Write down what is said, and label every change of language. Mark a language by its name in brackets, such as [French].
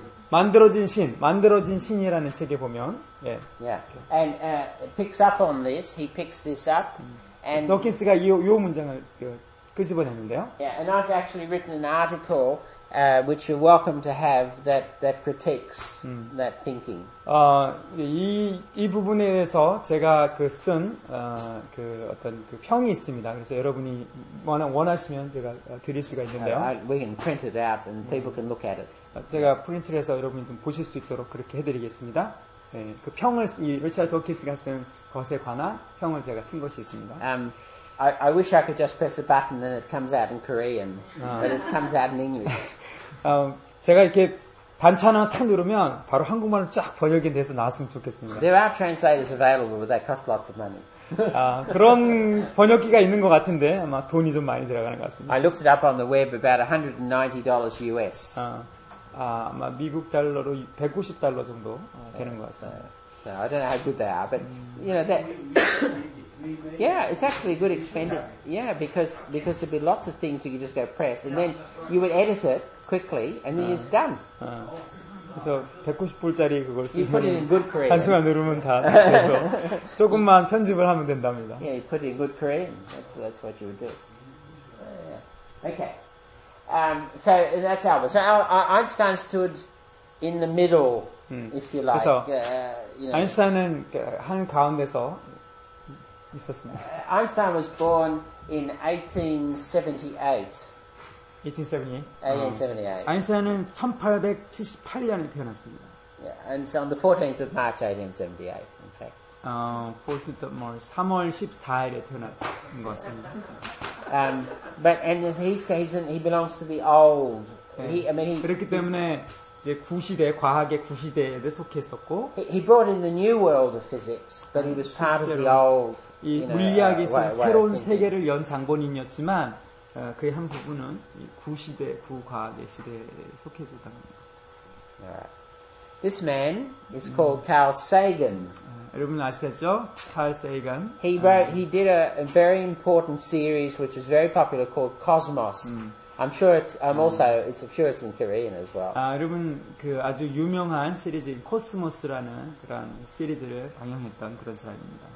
[Korean] 만들어진 신이라는 책에 보면 예. [English] Yeah. And picks up on this. He picks this up. And [Korean] 도킨스가 요 문장을 끄집어냈는데요. [English] Yeah, and I've actually written an article which you're welcome to have that critiques that thinking. [Korean] 이 부분에 대해서 제가 쓴 어떤 그 평이 있습니다. 그래서 여러분이 원하시면 제가 드릴 수가 있는데요. [English] We can print it out and people can look at it. [Korean] 제가 프린트를 해서 여러분이 좀 보실 수 있도록 그렇게 해드리겠습니다. 예, 그 평을 이 리처드 도킨스가 쓴 것에 관한 평을 제가 쓴 것이 있습니다. [English] I wish I could just press a button and it comes out in Korean, but it comes out in English. [Korean] 제가 이렇게 반찬 하나 탁 누르면 바로 한국말로 쫙 번역이 돼서 나왔으면 좋겠습니다. [English] There are translators available, but that costs lots of money. [Korean] 그런 번역기가 있는 것 같은데 아마 돈이 좀 많이 들어가는 것 같습니다. [English] I looked it up on the web, about $190 US. [Korean] 아마 미국 달러로 $190 정도 되는 것 같습니다. [English] So, I don't know how good they are, but you know that. Yeah, it's actually a good expenditure. Yeah, because there'd be lots of things you could just go press, and then you would edit it quickly, and then it's done. [Korean] 그래서 190불짜리 그걸 쓰면 [English] you put it in good Korean. [Korean] 단순한 누르면 다 돼서 조금만 편집을 하면 된답니다. [English] Yeah, you put it in good Korean. That's what you would do. Okay. So that's Albert. So Einstein stood in the middle, if you like. [Korean] 아인슈타인은 한 가운데서 있었습니다. [English] Einstein was born in 1878. 1870. 1878. [Korean] 아인슈타인은 1878년에 태어났습니다. [English] Yeah, and so on the 14th of March, 1878, in fact. [Korean] 3월 14일에 태어난 것 같습니다. [English] But and he belongs to the old. 네. He [Korean] 그렇기 때문에 이제 구시대 과학의 구시대에 속했었고. [English] He brought in the new world of physics, but he was part of the old. [Korean] 이 물리학에서 새로운 세계를 연 장본인이었지만 그의 한 부분은 구시대 구과학의 시대에 속했었던 겁니다. [English] This man is called Carl Sagan. [Korean] 여러분 아시겠죠? Carl Sagan. [English] He did a very important series which is very popular called Cosmos. I'm sure it's in Korean as well. [Korean] 여러분 그 아주 유명한 시리즈인 코스모스라는 그런 시리즈를 방영했던 그런 사람입니다.